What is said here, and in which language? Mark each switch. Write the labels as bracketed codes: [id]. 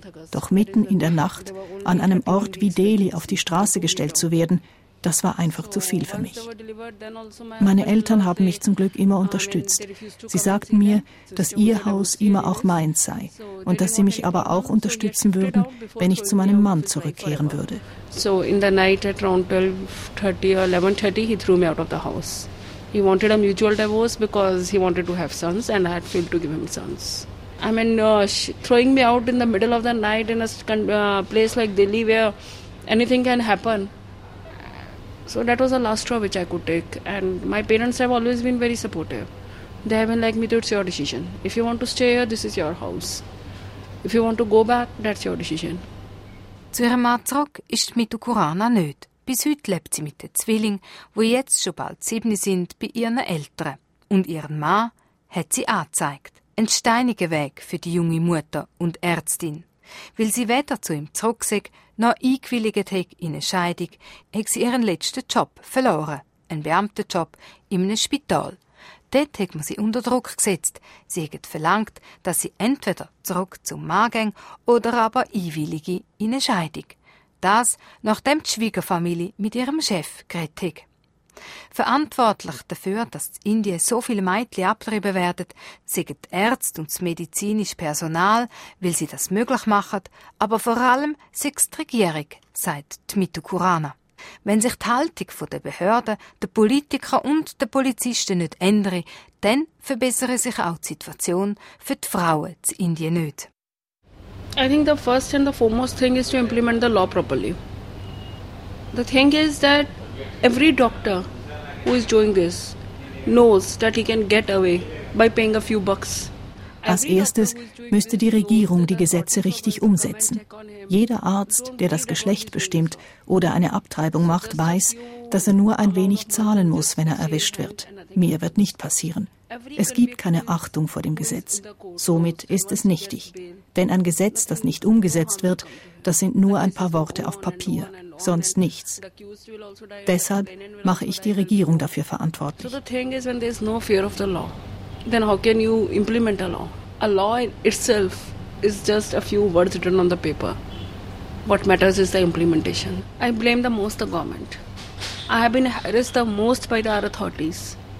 [de] Doch mitten in der Nacht an einem Ort wie Delhi auf die Straße gestellt zu werden, das war einfach zu viel für mich. Meine Eltern haben mich zum Glück immer unterstützt. Sie sagten mir, dass ihr Haus immer auch meins sei und dass sie mich aber auch unterstützen würden, wenn ich zu meinem Mann zurückkehren würde. [en] So in the night at around 12:30 or 11:30 he threw me out of the house. He wanted a mutual divorce because he wanted to have sons and I had failed to give him sons. I mean, throwing me out in the middle of the night in a place like Delhi where anything can happen. So that was the last straw which I could take. And my parents have always been very supportive. They have been like, Mitu, it's your decision. If you want to stay here, this is your house. If you want to go back, that's your decision. [de] Zu ihrem Mann zurück ist Mitu Kurana nicht. Bis heute lebt sie mit den Zwillingen, die jetzt schon bald 7 sind, bei ihren Eltern. Und ihren Mann hat sie angezeigt. Ein steiniger Weg für die junge Mutter und Ärztin. Weil sie weder zu ihm zurück sei, noch eingewilligt hat in eine Scheidung, hat sie ihren letzten Job verloren. Ein Beamtenjob in einem Spital. Dort hat man sie unter Druck gesetzt. Sie hat verlangt, dass sie entweder zurück zum Mann gehen oder aber einwillige in eine Scheidung. Das, nachdem die Schwiegerfamilie mit ihrem Chef geredet hat. Verantwortlich dafür, dass in Indien so viele Mädchen abtrieben werden, sagen die Ärzte und das medizinische Personal, weil sie das möglich machen, aber vor allem sagt die Regierung, sagt Mitu Kurana. Wenn sich die Haltung der Behörden, der Politiker und der Polizisten nicht ändere, dann verbessere sich auch die Situation für die Frauen in Indien nicht. [en] I think the first and the foremost thing is to implement the law properly. The thing is that every doctor who is doing this knows that he can get away by paying a few bucks. [de] Als erstes müsste die Regierung die Gesetze richtig umsetzen. Jeder Arzt, der das Geschlecht bestimmt oder eine Abtreibung macht, weiß, dass er nur ein wenig zahlen muss, wenn er erwischt wird. Mir wird nicht passieren. Es gibt keine Achtung vor dem Gesetz. Somit ist es nichtig. Denn ein Gesetz, das nicht umgesetzt wird, das sind nur ein paar Worte auf Papier, sonst nichts. Deshalb mache ich die Regierung dafür verantwortlich. [en] So the thing is, when there's no fear of the law, then how can you implement a law? A law itself is just a few words written on the paper. What matters is the implementation. I blame the most the government. I have been harassed the most by the authorities.